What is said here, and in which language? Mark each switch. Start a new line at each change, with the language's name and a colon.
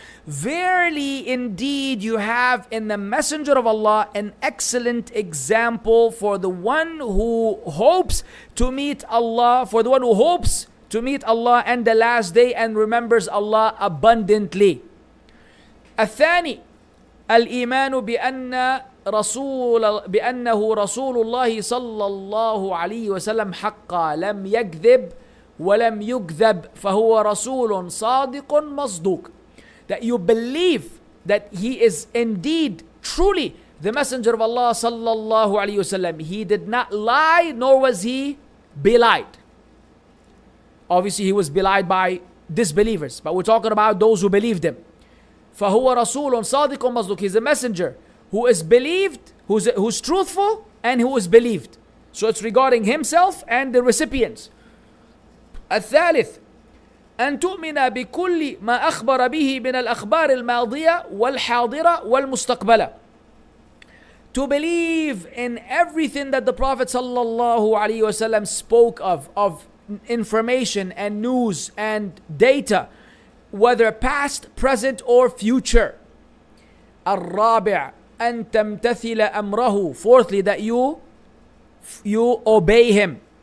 English: Verily indeed you have in the Messenger of Allah an excellent example for the one who hopes to meet Allah, for the one who hopes to meet Allah and the last day and remembers Allah abundantly.
Arabic: الثاني الإيمان بأن رسول بأنه رسول الله صلى الله عليه وسلم حقا لم يكذب ولم يكذب فهو رسول صادق مصدوق.
English: That you believe that he is indeed, truly, the Messenger of Allah sallallahu alayhi wa sallam. He did not lie, nor was he belied. Obviously, he was belied by disbelievers, but we're talking about those who believed him.
Arabic: فَهُوَ رَسُولٌ صَادِقٌ مَزْلُكٌ.
English: He's a messenger who is believed, who's truthful, and who is believed. So it's regarding himself and the recipients.
Arabic: الثالث, أن تؤمن بكل ما أخبر به من الأخبار الماضية والحاضرة والمستقبلة.
English: To believe in everything that the Prophet sallallahu alaihi wasallam spoke of information and news and data, whether past, present or future.
Arabic: الرابع, أن تمتثل أمره.
English: Fourthly, that you obey him.